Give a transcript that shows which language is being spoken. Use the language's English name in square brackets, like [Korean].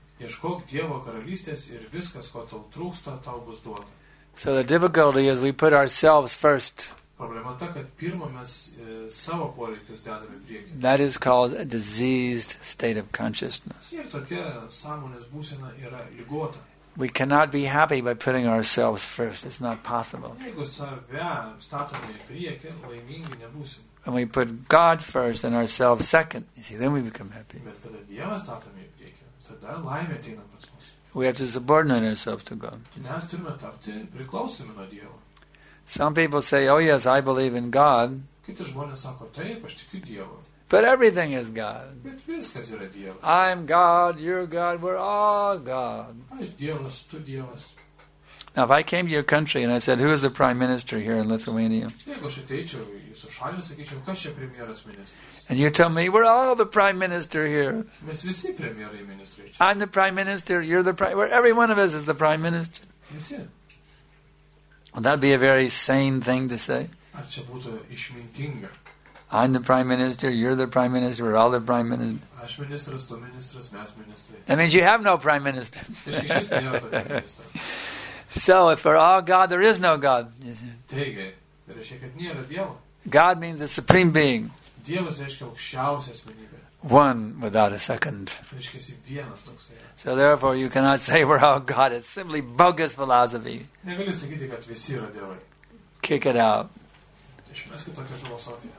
[Lithuanian] Ieškok Dievo karalystės ir viskas, ko tau trūksta, tau bus duota. [English] So the difficulty is we put ourselves first. [Lithuanian] Problema ta, kad pirmą mes savo poreikius dedame priekį. [English] That is called a diseased state of consciousness. [Lithuanian] Ir tokia sąmonės būsena yra ligota. [English] We cannot be happy by putting ourselves first. It's not possible. [Lithuanian] Jeigu save statome į priekį, laimingi nebūsim. [English] When we put God first and ourselves second, you see, then we become happy. [Lithuanian] Bet kada Dievą statome į priekį, tada laimė ateina pas mus. [English] We have to subordinate ourselves to God. [Lithuanian] Mes turime tapti priklausomi nuo Dievo. [English] Some people say, oh yes, I believe in God. [Lithuanian] Kiti žmonės sako, taip, aš tikiu Dievu. [English] But everything is God. [Lithuanian] Bet viskas yra Dievas. [English] I'm God, you're God, we're all God. [Lithuanian] Aš Dievas, tu Dievas. [English] Now, if I came to your country and I said, who is the prime minister here in Lithuania? [Lithuanian] Jeigu aš ateičiau į jūsų šalį, sakyčiau, kas čia premjeras ministras? [English] And you tell me, we're all the prime minister here. [Lithuanian] Mes visi premjerai ministrai čia. [English] I'm the prime minister, you're the prime, where every one of us is the prime minister. [Lithuanian] Visi. [English] Would that be a very sane thing to say? [Lithuanian] Ar čia būtų išmintinga? [English] I'm the prime minister, you're the prime minister, we're all the prime minister. [Lithuanian] Aš ministras, tu ministras, mes ministrai. [English] That means you have no prime minister. [Lithuanian] Iškišis nėra to ministro. [English] So, if we're all God, there is no God. [Lithuanian] Taigi, reiškia, kad nėra Dievo. [English] God means the supreme being. [Lithuanian] Dievas reiškia aukščiausia asmenybė. [English] One without a second. [Lithuanian] Reiškiasi vienas toksai. [English] So therefore you cannot say we're all God. It's simply bogus philosophy. [Lithuanian] Negali sakyti, kad visi yra dievai. [English] Kick it out. [Lithuanian] Išmeskit tokią filosofiją.